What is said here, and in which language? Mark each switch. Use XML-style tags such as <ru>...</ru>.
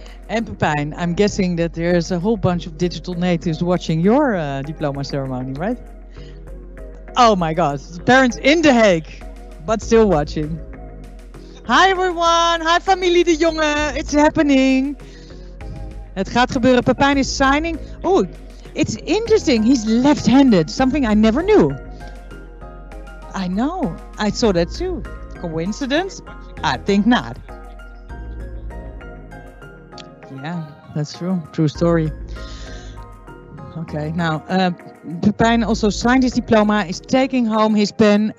<en>And Pepijn, I'm guessing that there's a whole bunch of digital natives watching your diploma ceremony, right? Oh my God, parents in The Hague, but still watching. Hi everyone, hi familie de Jonge, it's happening.</en> <nl>Het gaat gebeuren, Pepijn</nl> <en>is signing. Oh, it's interesting, he's left-handed, something I never knew. I know, I saw that too. Coincidence? I think not. Yeah, that's true. True story. Okay, now, Pepijn also signed his diploma, is taking home his pen.</en>